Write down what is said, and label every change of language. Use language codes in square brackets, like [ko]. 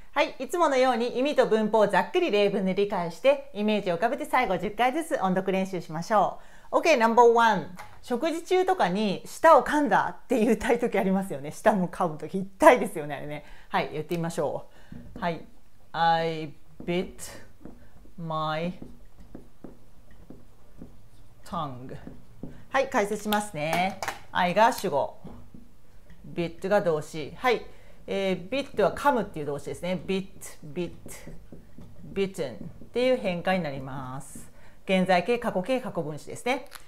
[ja] はい、いつものように意味と文法をざっくり例文で理解してイメージを浮かべて最後10回ずつ音読練習しましょう。 OK、 ナンバーワン、食事中とかに舌を噛んだって言いたい時ありますよね。舌も噛むとき痛いですよね、あれね。はい、言ってみましょう。はい、 [en] I bit my tongue。 [ja] はい、解説しますね。 I が主語、 bit が動詞。はい、bit は噛むっていう動詞ですね。bit、 bit、 bitten っていう変化になります。現在形、過去形、過去分詞ですね。